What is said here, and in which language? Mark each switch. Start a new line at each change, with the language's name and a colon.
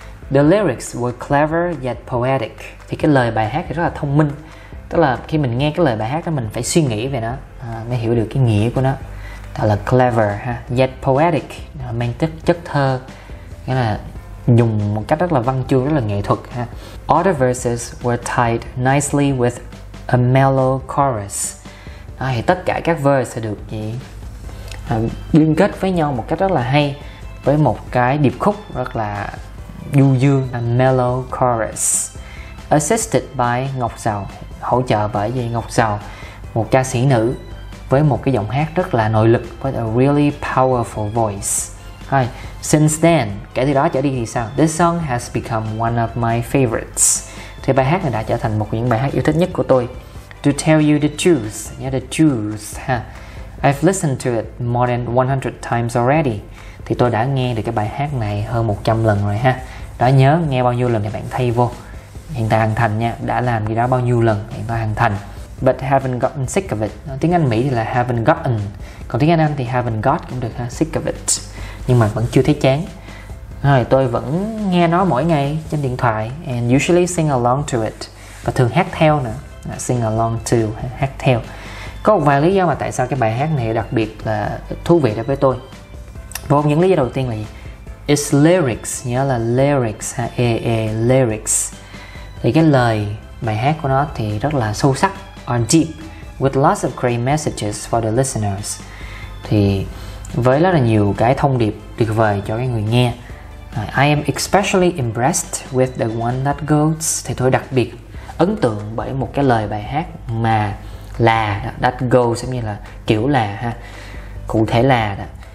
English: The lyrics were clever yet poetic.
Vietnamese: Thì cái lời bài hát thì rất là thông minh. Tức là khi mình nghe cái lời bài hát đó, mình phải suy nghĩ về nó mới hiểu được cái nghĩa của nó. Đó là clever ha, yet poetic, mang tức chất thơ, nghĩa là dùng một cách rất là văn chương, rất là nghệ thuật ha.
English: All the verses were tied nicely with a mellow chorus.
Vietnamese: À, thì tất cả các verse sẽ được gì liên kết với nhau một cách rất là hay, với một cái điệp khúc rất là du dương,
English: a mellow chorus assisted by Ngọc Giàu,
Vietnamese: hỗ trợ bởi vì Ngọc Giàu, một ca sĩ nữ với một cái giọng hát rất là nội lực,
English: with a really powerful voice.
Vietnamese: Hi.
English: Since then,
Vietnamese: kể từ đó trở đi thì sao?
English: This song has become one of my favorites.
Vietnamese: Thì bài hát này đã trở thành một những bài hát yêu thích nhất của tôi.
English: To tell you the truth, yeah, the truth, ha. I've listened to it more than 100 times already.
Vietnamese: Thì tôi đã nghe được cái bài hát này hơn 100 lần rồi ha. Đã nhớ nghe bao nhiêu lần thì bạn thay vô. Hiện tại hoàn thành nha, đã làm gì đó bao nhiêu lần, hiện tại hoàn thành.
English: But haven't gotten sick of it.
Vietnamese: Tiếng Anh Mỹ thì là haven't gotten. Còn tiếng Anh thì haven't got cũng được ha, sick of it. Nhưng mà vẫn chưa thấy chán. Rồi tôi vẫn nghe nó mỗi ngày trên điện thoại.
English: And usually sing along to it.
Vietnamese: Và thường hát theo nữa. Sing along to, hát theo. Có một vài lý do mà tại sao cái bài hát này đặc biệt là thú vị đối với tôi. Một trong những lý do đầu tiên là gì?
English: It's lyrics, nhớ là lyrics ha, lyrics.
Vietnamese: Thì cái lời bài hát của nó thì rất là sâu sắc,
English: are deep, with lots of great messages for the listeners.
Vietnamese: Thì với rất là nhiều cái thông điệp tuyệt vời cho cái người nghe.
English: I am especially impressed with the one that goes.
Vietnamese: Thì tôi đặc biệt ấn tượng bởi một cái lời bài hát mà là,
English: that goes
Vietnamese: giống như là kiểu là ha, cụ thể là đó.